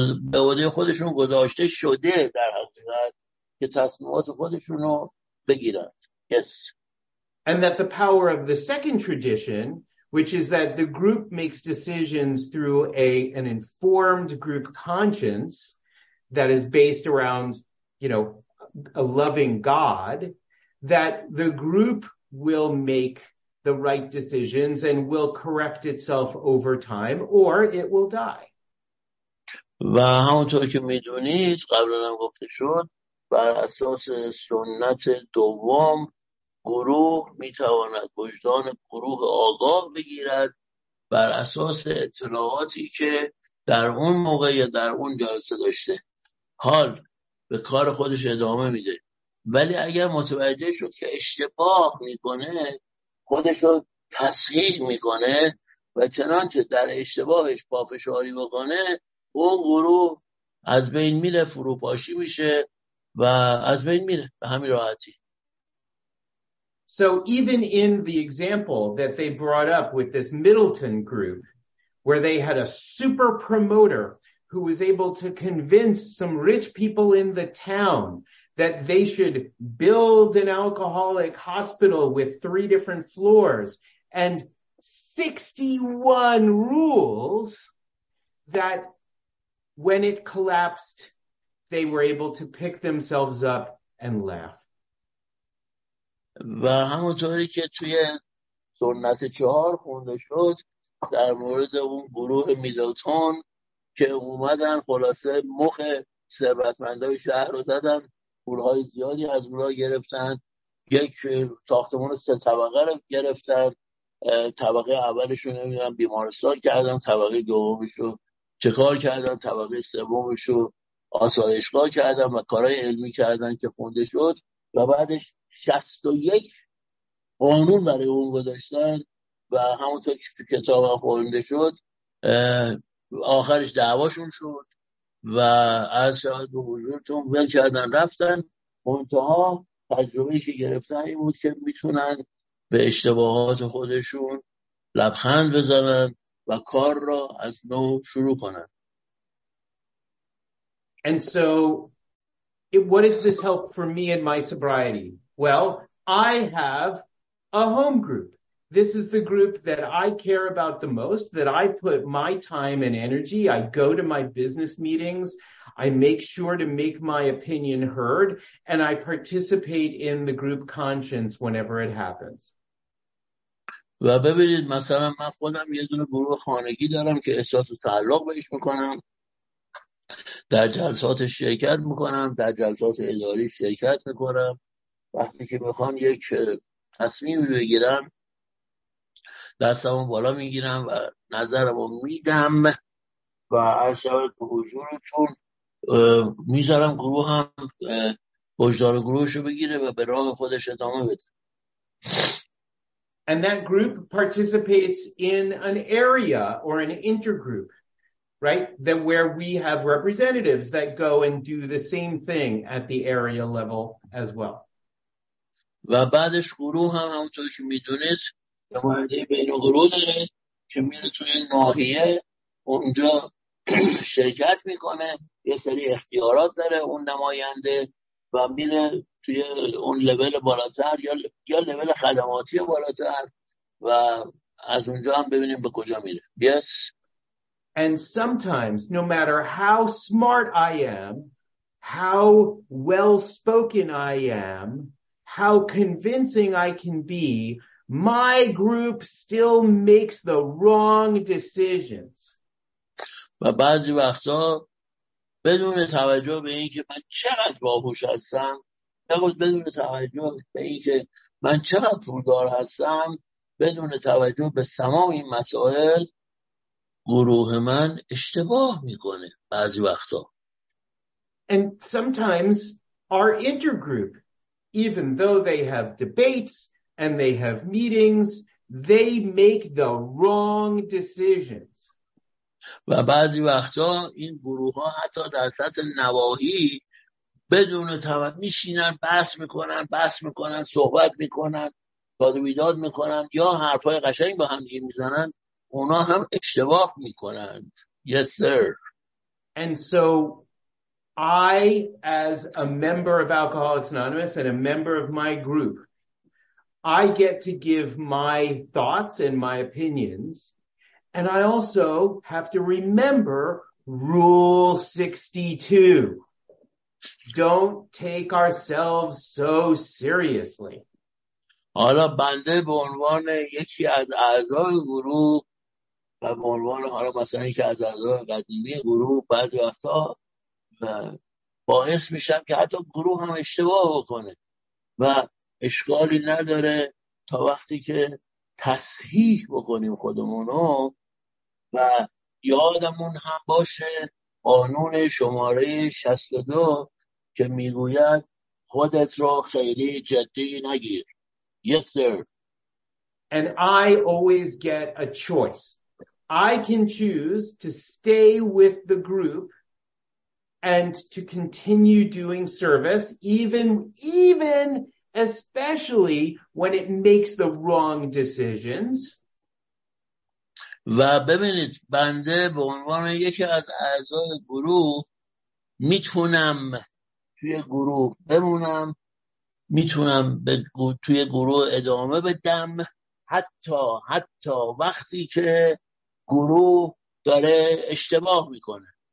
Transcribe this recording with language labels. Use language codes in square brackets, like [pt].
[fa] به عهده خودشون گذاشته شده در حقیقت که تصمیمات خودشون رو بگیرند. [en] Yes. And that the power of the second tradition, which is that the group makes decisions through an informed group conscience that is based around, you know, a loving God, that the group will make the right decisions and will correct itself over time, or it will die. [fa] و همونطور که میدونید، قبلاً هم گفته شد، بر اساس سنت دوم، گروه میتواند وجدان گروه آگاه بگیرد بر اساس اطلاعاتی که در اون موقع یا در اون جلسه داشته. حال به کار خودش ادامه میده. ولی اگر متوجه شد که اشتباه میکنه، خودش رو تصحیح میکنه و چنانچه در اشتباهش پافشاری بکنه، اون گروه از بین میره، فروپاشی میشه و از بین میره به همین راحتی. [en] So even in the example that they brought up with this Middleton group, where they had a super promoter who was able to convince some rich people in the town that they should build an alcoholic hospital with 3 different floors and 61 rules, that when it collapsed, they were able to pick themselves up and laugh. [fa] و همونطوری که توی سنت 4 خونده شد در مورد اون گروه میدلتون که اومدن خلاصه مخ ثروتمندای شهر رو زدن، پولهای زیادی از اونها گرفتن، یک ساختمان 3 طبقه رو گرفتن، طبقه اولش رو نمیدونم بیمارستان کردن، طبقه دومش رو چکار کردن، طبقه سومش رو آسایشگاه کردن و کارهای علمی کردن که خونده شد. و بعدش 61 قانون برای اون گذاشتن و همونطور که تو کتاب خونده شد آخرش دعواشون شد و از شاهد به حضورتون ول کردن رفتن. منتها تجربه‌ای که گرفتن این بود که میتونن به اشتباهات خودشون لبخند بزنن و کار را از نو شروع کنن. [en] And so what does this help for me and my sobriety? Well, I have a home group. This is the group that I care about the most, that I put my time and energy. I go to my business meetings. I make sure to make my opinion heard, and I participate in the group conscience whenever it happens. [fa] و ببینید مثلا من خودم یه دونه گروه خانگی دارم که احساس تعلق بهش میکنم. در جلسات شرکت میکنم، در جلسات اداری شرکت میکنم. وقتی که میخوام یک تصمیم رو بگیرم دستمو بالا میگیرم و نظرمو میدم و از شبت به حضورتون میذارم گروه هم بجدار گروهشو بگیره و به راه خودش ادامه بده. [en] And that group participates in an area or an intergroup, right? That where we have representatives that go and do the same thing at the area level as well. [fa] و بعدش گروه هم همونطور که میدونست نماینده بین گروه داره که میره توی ناحیه اونجا شرکت میکنه، یه سری اختیارات داره اون نماینده و میره توی اون لول بالاتر یا لول خدماتی بالاتر و از اونجا هم ببینیم به کجا میره. [en] Yes. And sometimes no matter how smart I am, how well spoken I am, how convincing I can be, my group still makes the wrong decisions. [fa] و بعضی وقتا بدون توجه به اینکه من چقدر باهوش هستم، بدون توجه به اینکه من چقدر پولدار هستم، بدون توجه به تمام این مسائل، گروه من اشتباه میکنه بعضی وقتا. [en] And sometimes our intergroup, even though they have debates and they have meetings, they make the wrong decisions. [fa] و بعضی وقتا این گروه ها حتی در سطح نواحی بدون توجه میشینن بحث میکنن صحبت میکنن، داد و بیداد میکنن یا حرفای قشنگ با هم دیگه میزنن، اونا هم اشتباه میکنن. [en] Yes sir. And so I, as a member of Alcoholics Anonymous and a member of my group, I get to give my thoughts and my opinions, and I also have to remember Rule 62. Don't take ourselves so seriously. [fa] حالا بنده به عنوان یکی از اعضای گروه و به عنوان حالا مثلا یکی از اعضای قدیمی گروه بعد وقتا و باعث میشم که حتی گروه هم اشتباه بکنه و اشکالی نداره تا وقتی که تصحیح بکنیم خودمونو و یادمون هم باشه قانون شماره 62 که میگوید خودت را خیلی جدی نگیر. [en] Yes, sir. And I always get a choice. I can choose to stay with the group and to continue doing service, even especially when it makes the wrong decisions. [fa] و ببینید بنده به عنوان یکی از اعضای گروه میتونم توی گروه بمونم، میتونم توی گروه ادامه بدم، حتی وقتی که گروه داره اشتباه میکنه.